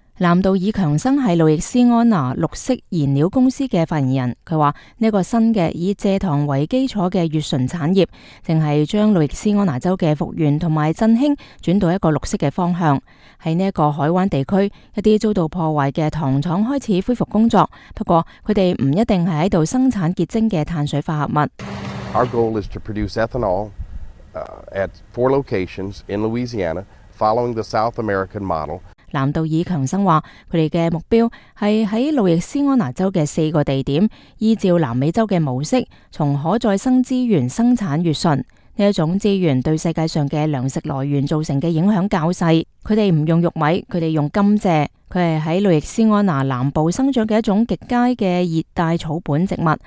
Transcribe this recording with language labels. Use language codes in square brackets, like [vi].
[zh] 南道尔强生是路易斯安那绿色燃料公司的发言人，他说这个新的以蔗糖为基础的乙醇产业，正是将路易斯安那州的复原和振兴转到一个绿色的方向。在这个海湾地区，一些遭到破坏的糖厂开始恢复工作，不过他们不一定是在生产结晶的碳水化合物。 [en] Our goal is to produce ethanol at four locations in Louisiana, following the South American model. [zh] 南道尔强生说，他们的目标是在路易斯安那州的四个地点，依照南美洲的模式，从可再生资源生产乙醇。这种资源对世界上的粮食来源造成的影响较细。他们不用玉米，他们用甘蔗。它是在路易斯安那南部生长的一种极佳的热带草本植物。